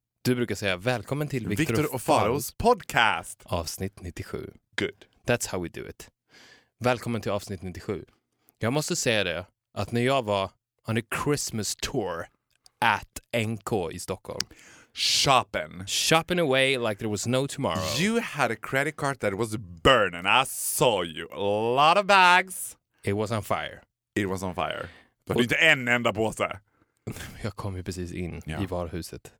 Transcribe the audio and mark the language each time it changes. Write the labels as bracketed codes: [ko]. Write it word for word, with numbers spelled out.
[sv] Du brukar säga välkommen till Victor, Victor och Faros podcast. Avsnitt nittiosju. [en] Good. That's how we do it. [sv] Välkommen till avsnitt nittiosju. Jag måste säga det att när jag var [en] on a Christmas tour at [sv] N K i Stockholm. [en] Shopping. Shopping away like there was no tomorrow. You had a credit card that was burning. I saw you. A lot of bags. It was on fire. It was on fire. [sv] Du hade inte en enda påse. Jag kom ju precis in yeah. i varuhuset.